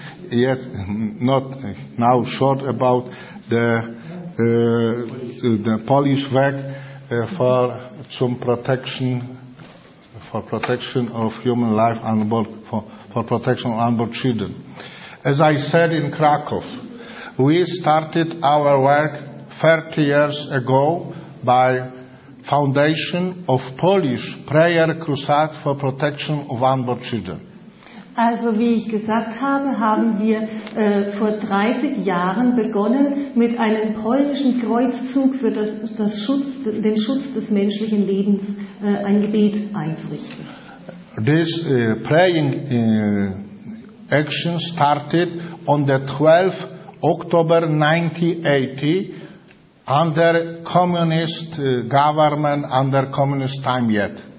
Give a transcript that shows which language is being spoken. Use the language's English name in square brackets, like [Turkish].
[German] Jetzt, [English] not now short about the the Polish Act for protection of human life on board, for protection on board children. As I said in Krakow, we started our work 30 years ago by foundation of Polish prayer crusade for protection of unborn children. [German] Also wie ich gesagt habe, haben wir vor 30 Jahren begonnen mit einem polnischen Kreuzzug für den Schutz des menschlichen Lebens ein Gebet einzurichten. [English] This praying action started on the 12th October 1980 under communist government, under communist time yet.